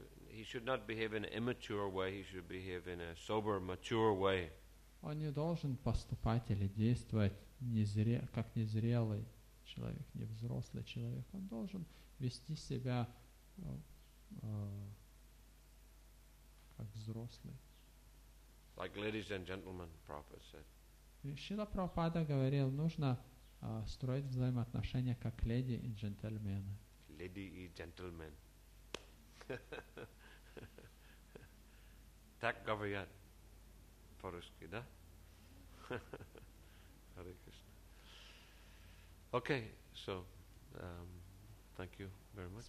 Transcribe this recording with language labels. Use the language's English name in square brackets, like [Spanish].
[English] He should not behave in an immature way, he should behave in a sober, mature way. [Russian] Он не должен поступать или действовать как незрелый человек, не взрослый человек. Он должен вести себя как взрослый. [English] Like ladies and gentlemen, Prabhupada said. [Russian] Шрила Прабхупада говорил, нужно строить взаимоотношения как леди и джентльмены. Леди и джентльмен. Так говорят по-русски, да? [English] Hare Krishna. Okay, so thank you very much.